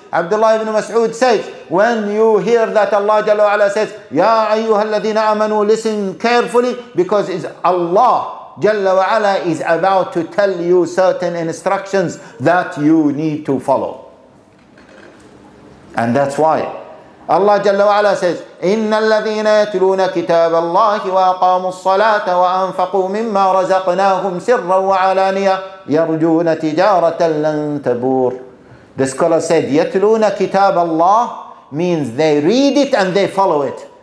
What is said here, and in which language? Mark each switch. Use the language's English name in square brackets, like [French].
[English] Abdullah ibn Mas'ud says, when you hear that Allah Jalla wa'ala says, Ya ayyuhal ladhina amanu, listen carefully, because it's Allah Jalla wa'ala is about to tell you certain instructions that you need to follow. And that's why Allah Jalla wa'ala says, [Arabic] إِنَّ الَّذِينَ يَتْلُونَ كِتَابَ اللَّهِ وَأَقَامُوا الصَّلَاةَ وَأَنْفَقُوا مِمَّا رَزَقْنَاهُمْ سِرًّا وَعَلَانِيَةً يَرْجُونَ تِجَارَةً لَنْ تَبُورَ. [English] The scholar said, [Arabic] يَتْلُونَ كِتَابَ اللَّهِ [English] means they read it and they follow it.